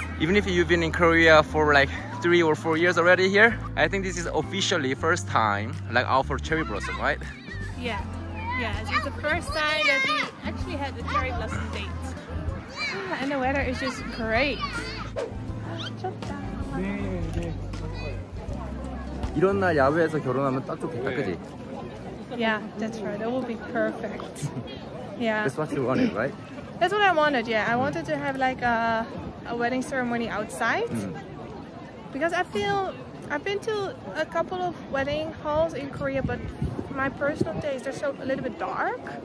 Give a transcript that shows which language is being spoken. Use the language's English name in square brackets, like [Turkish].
[English] Even if you've been in Korea for like 3 or 4 years already here, I think this is officially first time like out for cherry blossom, right? Yeah, it's the first time that we actually had the cherry blossom date. And the weather is just great. [Korean] 네, 네. 이런 날 야외에서 결혼하면 딱 좋겠다, 그지? [English] Yeah, that's right. That will be perfect. Yeah. That's what you wanted, right? That's what I wanted, yeah. I wanted to have like a wedding ceremony outside. Because I feel, I've been to a couple of wedding halls in Korea, but my personal taste, they're so a little bit dark.